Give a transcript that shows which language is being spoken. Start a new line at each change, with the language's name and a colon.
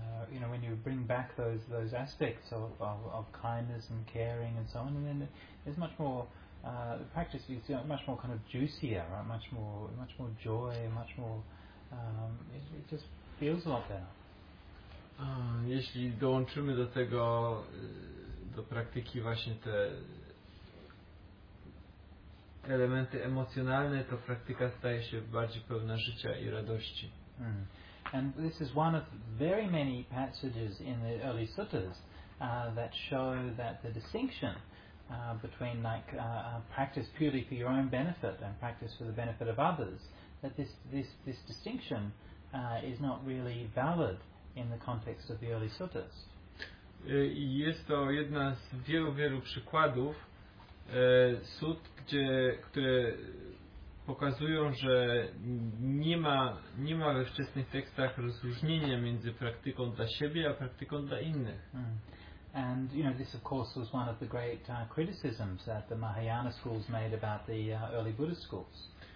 English: Whereas when you bring back those aspects of kindness and caring and so on, then there's much more. The practice is much more kind of juicier, right? much more joy, much more. It just feels a lot better.
Polish: Jeśli dołączymy do tego, do praktyki właśnie te elementy emocjonalne, to praktyka staje się bardziej pełna życia i radości.
English: And this is one of very many passages in the early suttas that show that the distinction between like practice purely for your own benefit and practice for the benefit of others, that this distinction is not really valid in the context of the early suttas.
Polish: Jest to jedna z wielu przykładów sutt, które pokazują, że nie ma we wczesnych tekstach rozróżnienia między praktyką dla siebie a praktyką dla innych.
English: And you know, this of course was one of the great criticisms that the Mahayana schools made about the early Buddhist schools.